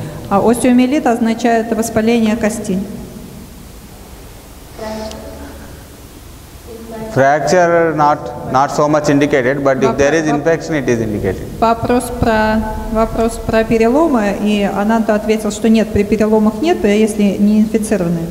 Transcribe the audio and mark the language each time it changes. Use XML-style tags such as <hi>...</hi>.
<ru>А остеомиелит означает воспаление костей.</ru> <en>Fracture not so much indicated, but if there is infection, it is indicated.</en> <ru>Вопрос про переломы, и она-то ответила, что нет, при переломах нет, если не инфицированные.</ru>